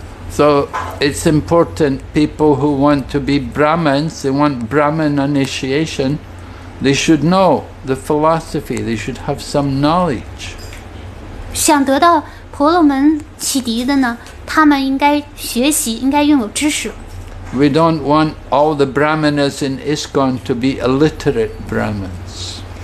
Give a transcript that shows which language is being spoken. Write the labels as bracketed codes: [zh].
[en] So it's important people who want to be Brahmins, they want Brahmin initiation, they should know the philosophy, they should have some knowledge. [zh] 想得到婆罗门启迪的呢，他们应该学习，应该拥有知识。 [en] We don't want all the Brahmanas in ISKCON to be illiterate Brahmins.